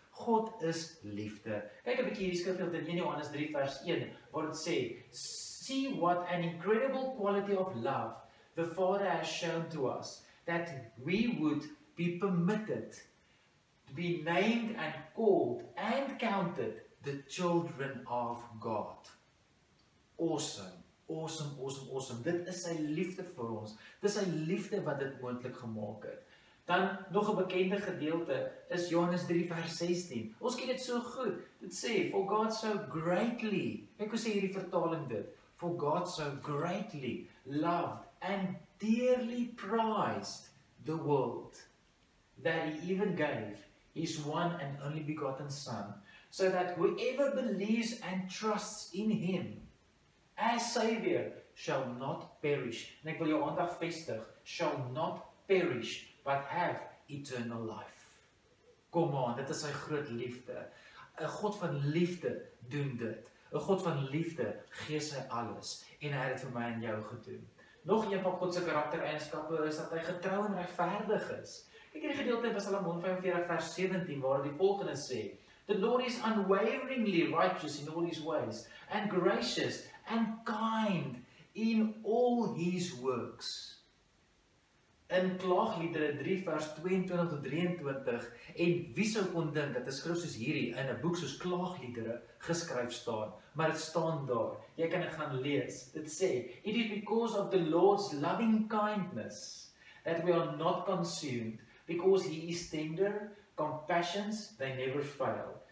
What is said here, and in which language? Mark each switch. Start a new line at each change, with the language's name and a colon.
Afrikaans: God is liefde. Kyk 'n bietjie hierdie skrifgedeelte in 1 Johannes 3 vers 1 waar dit sê,
English: "See what an incredible quality of love the Father has shown to us that we would be permitted to be named and called and counted the children of God."
Afrikaans: Awesome, awesome, awesome, awesome. Dit is sy liefde vir ons. Dit is sy liefde wat dit moontlik gemaak het. Dan nog 'n bekende gedeelte is Johannes 3 vers 16. Ons ken dit so goed. Dit sê,
English: "For God so greatly,"
Afrikaans: ek wil sê hierdie vertaling dit,
English: "For God so greatly loved and dearly prized the world that he even gave his one and only begotten son, so that whoever believes and trusts in Him as Savior shall not perish.
Afrikaans: En ek wil jou aandag vestig,
English: shall not perish, but have eternal life.
Afrikaans: Kom aan, dit is sy groot liefde. 'N God van liefde doen dit. 'N God van liefde gee sy alles en hy het dit vir my en jou gedoen. Nog een van God se karaktereienskappe is dat hy getrou en regverdig is. Kyk hierdie gedeelte in Psalm 145 vers 17 waar die volgende sê:
English: The Lord is unwaveringly righteous in all his ways and gracious and kind in all his works.
Afrikaans: In Klaagliedere 3 vers 22 tot 23 en wie sou kon dink dat 'n skrif soos hierdie in 'n boek soos Klaagliedere geskryf staan, maar dit staan daar. Jy kan dit gaan lees. Dit sê,
English: "It is because of the Lord's loving kindness that we are not consumed, because he is tender, compassions they never fail.